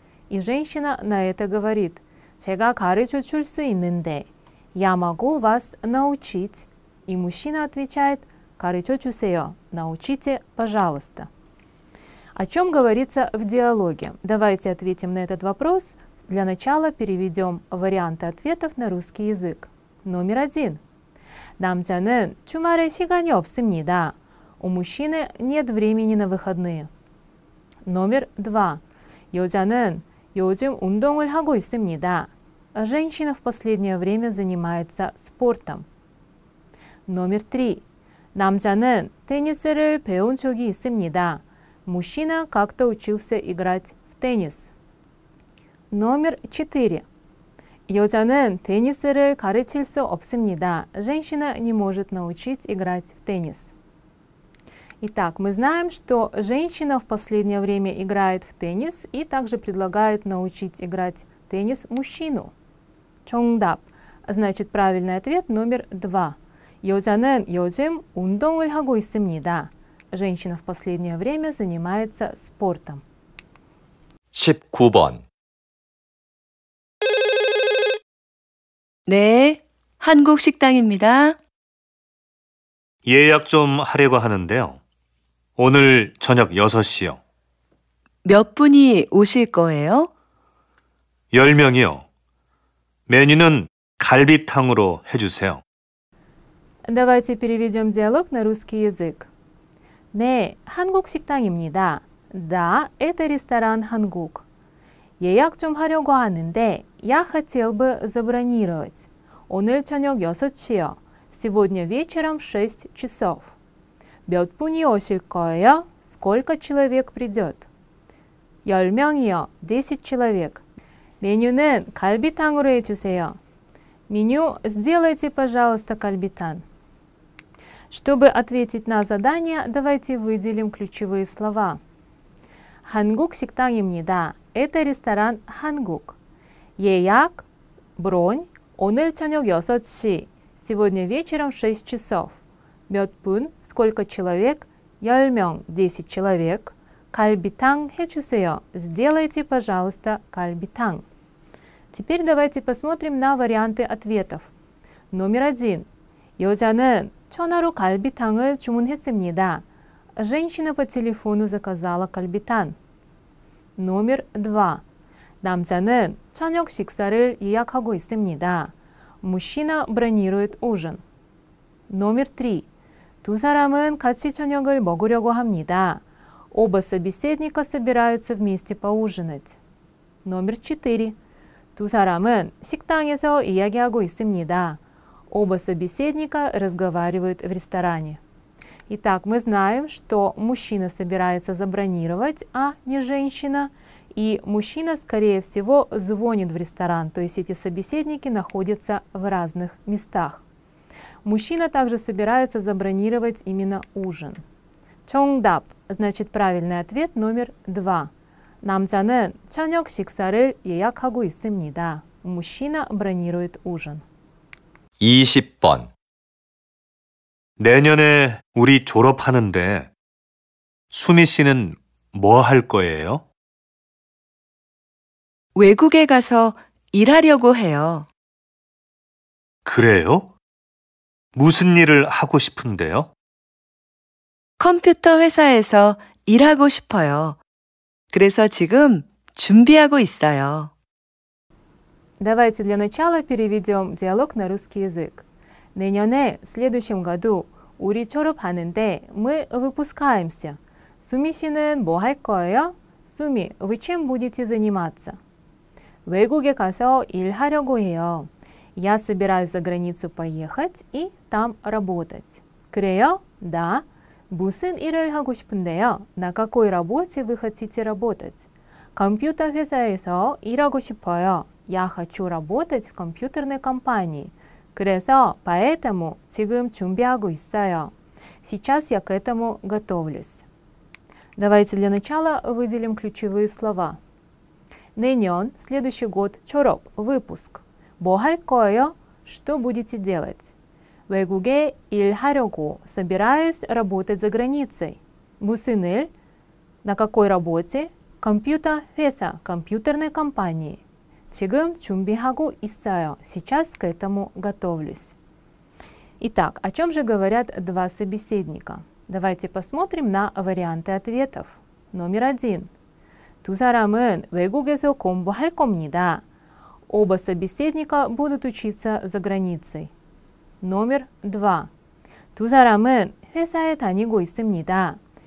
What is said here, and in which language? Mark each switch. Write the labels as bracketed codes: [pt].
[ru] И женщина на это говорит, [ko] чега гаричу чульсу иннде, [ru] я могу вас научить. И мужчина отвечает, [ko] гаричу чусео, [ru] научите, пожалуйста. О чем говорится в диалоге? Давайте ответим на этот вопрос. Для начала переведем варианты ответов на русский язык. Номер один. [ko] 남자는 주말에 시간이 없습니다. [ru] У мужчины нет времени на выходные. Номер два. [ko] 여자는 요즘 운동을 하고 있습니다. [ru] Женщина в последнее время занимается спортом. Номер три. [ko] 남자는 теннис를 배운 적이 있습니다. [ru] Мужчина как-то учился играть в теннис. Номер 4. [ko] 여자는 теннис를 가르칠 수 없습니다. [ru] Женщина не может научить играть в теннис. Итак, мы знаем, что женщина в последнее время играет в теннис и также предлагает научить играть в теннис мужчину. [ko] 정답. [ru] Значит, правильный ответ номер 2. [ko] 여자는 요즘 운동을 하고 있습니다. [ru] Женщина в последнее время занимается спортом. [ko] 19번. 네, 한국 식당입니다. 예약 좀 하려고 하는데요. 오늘 저녁 6시요. 몇 분이 오실 거예요? 10명이요. 메뉴는 갈비탕으로 해주세요. [ru] Давайте переведем диалог на русский язык. [ko] 네, 한국 식당입니다. [ru] 나, это ресторан 한국. [ko] 예약 좀 하려고 하는데, [ru] я хотел бы забронировать. [ko] 오늘 저녁 6시요. [ru] Сегодня вечером 6 часов. [ko] 몇 분이 오실 거예요? [ru] Сколько человек придет? [ko] 10명이요. [ru] 10 человек. [ko] 메뉴는 갈비탕으로 해주세요. [ru] 메뉴, сделайте, пожалуйста, 갈비탄. Чтобы ответить на задание, давайте выделим ключевые слова. [ko] 한국 식당입니다. [ru] Это ресторан 한국. [ko] 예약, бронь, 오늘 저녁 6시. [ru] Сегодня вечером 6 часов. [ko] 몇 분, [ru] сколько человек? [ko] 10명, [ru] 10 человек. [ko] 갈비탕 해주세요. [ru] Сделайте, пожалуйста, 갈비탕. Теперь давайте посмотрим на варианты ответов. Номер один. [ko] 여자는 전화로 갈비탕을 주문했습니다. [ru] Женщина по телефону заказала 갈비탕. Номер два. [ko] 남자는 저녁 식사를 예약하고 있습니다. [ru] Мужчина бронирует ужин. Номер три. [ko] 두 사람은 같이 저녁을 먹으려고 합니다. [ru] Оба собеседника собираются вместе поужинать. Номер четыре. [ko] 두 사람은 식당에서 이야기하고 있습니다. [ru] Оба собеседника разговаривают в ресторане. Итак, мы знаем, что мужчина собирается забронировать, а не женщина. И мужчина, скорее всего, звонит в ресторан, то есть эти собеседники находятся в разных местах. Мужчина также собирается забронировать именно ужин. 정답, значит, правильный ответ номер два. [ko] 남자는 저녁 식사를 예약하고 있습니다. [ru] Мужчина бронирует ужин. [ko] 20번. 내년에 우리 졸업하는데 수미 씨는 뭐 할 거예요? 외국에 가서 일하려고 해요. 그래요? 무슨 일을 하고 싶은데요? 컴퓨터 회사에서 일하고 싶어요. 그래서 지금 준비하고 있어요. [ru] Давайте для начала переведем диалог на русский язык. [ko] 내년에, [ru] в следующем году, [ko] 우리 졸업하는데, [ru] мы выпускаемся. [ko] 수미씨는 뭐 할 거예요? [ru] 수미, вы чем будете заниматься? [ko] 외국에 가서 일하려고 해요. [ru] Я собираюсь за границу поехать и там работать. [ko] 그래요? Да, 무슨 일을 하고 싶은데요? [ru] На какой работе вы хотите работать? [ko] 컴퓨터 회사에서 일하고 싶어요. [ru] Я хочу работать в компьютерной компании. [ko] 그래서 поэтому 지금 준비하고 있어요. [ru] Сейчас я к этому готовлюсь. Давайте для начала выделим ключевые слова. 내년, следующий год, 졸업, выпуск. [ko] 뭐 할 거예요? [ru] Что будете делать? [ko] 외국에 일하려고, [ru] собираюсь работать за границей. [ko] 무슨 일? [ru] На какой работе? Компьютер, 회사, компьютерной компании. [ko] 지금 준비하고 있어요. [ru] Сейчас к этому готовлюсь. Итак, о чем же говорят два собеседника? Давайте посмотрим на варианты ответов. Номер один. [ko] 두 사람은 외국에서 공부할 겁니다. [ru] Оба собеседника будут учиться за границей. Номер два. [ko] 두 사람은 회사에 다니고 있습니다.